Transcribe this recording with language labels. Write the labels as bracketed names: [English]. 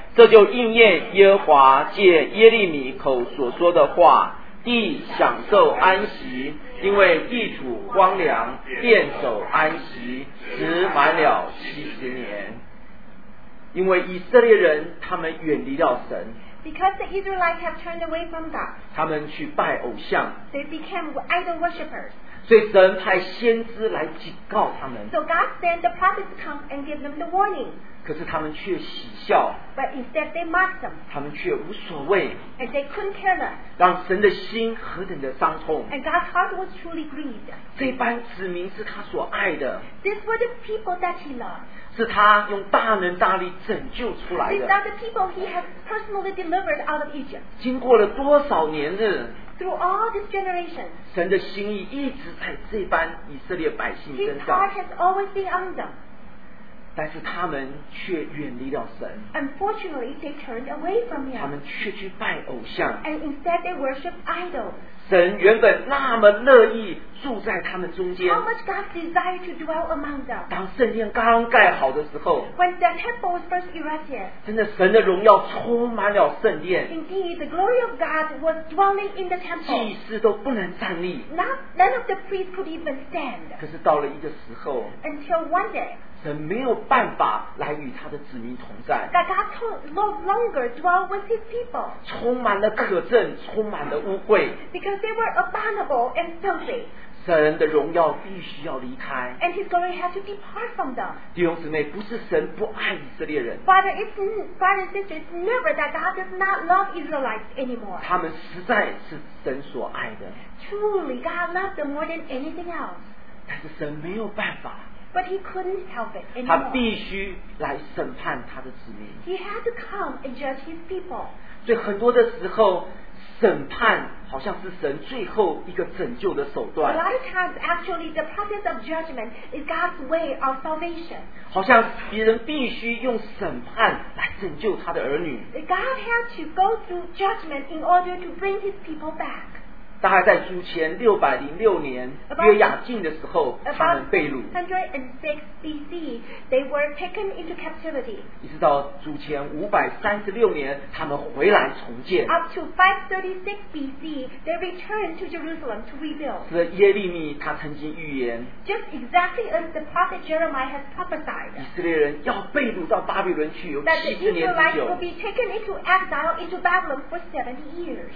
[Chinese] 这就应验耶和华借耶利米口所说的话，地享受安息，因为地处荒凉，殿守安息，时满了70年。因为以色列人他们远离了神。 [English] Because the Israelites have turned away from God. [Chinese] 他们去拜偶像。 [English] They became idol worshippers. [Chinese] 所以神派先知来警告他们。 [English] So God sent the prophets to come and give them the warning. [Chinese] 可是他们却喜笑。 [English] But instead they mocked them. [Chinese] 他们却无所谓。 [English] And they couldn't care less. [Chinese] 让神的心何等的伤痛。 [English] And God's heart was truly grieved. [Chinese] 这班子民是他所爱的。 [English] These were the people that he loved. [Chinese] 是他用大能大力拯救出来的。 [English] These are the people he has personally delivered out of Egypt. [Chinese] 经过了多少年日？ [English] Through all these generations. [Chinese] 神的心意一直在这班以色列百姓身上。 [English] His heart has always been on them. [Chinese] 但是他们却远离了神。 [English] Unfortunately, they turned away from him. [Chinese] 他们却去拜偶像。 [English] And instead they worship idols. [Chinese] 神原本那么乐意住在他们中间。 [English] How much God desired to dwell among them. [Chinese] 当圣殿刚盖好的时候。 [English] When the temple was first erected. [Chinese] 真的，神的荣耀充满了圣殿。 [English] Indeed, the glory of God was dwelling in the temple. [Chinese] 祭司都不能站立。 [English] None of the priests could even stand. [Chinese] 可是到了一个时候。 [English] Until one day. [Chinese] 神没有办法来与他的子民同在。 [English] That God no longer dwell with his people. [Chinese] 充满了可憎，充满了污秽。 [English] Because they were abominable and filthy. [Chinese] 神的荣耀必须要离开。 [English] And his glory had to depart from them. [Chinese] 弟兄姊妹，不是神不爱以色列人。 [English] Brothers and sisters, never that God does not love Israelites anymore. [Chinese] 他们实在是神所爱的。 [English] Truly, God loved them more than anything else. [Chinese] 但是神没有办法。 [English] But he couldn't help it anymore. [Chinese] 他必须来审判他的子民。 [English] He had to come and judge his people. [Chinese] 所以很多的时候，审判好像是神最后一个拯救的手段。 [English] A lot of times, actually, the process of judgment is God's way of salvation. [Chinese] 好像别人必须用审判来拯救他的儿女。 [English] God had to go through judgment in order to bring his people back. [Chinese] 大概在主前606年约雅敬的时候他们被掳 [English] 106 BC they were taken into captivity [Chinese] 一直到主前536年他们回来重建 [English] up to 536 BC they returned to Jerusalem to rebuild [Chinese] 是耶利米他曾经预言 [English] just exactly as the prophet Jeremiah has prophesied [Chinese] 以色列人要被掳到巴比伦去有70年之久 [English] that the Israelites will be taken into exile into Babylon for 70 years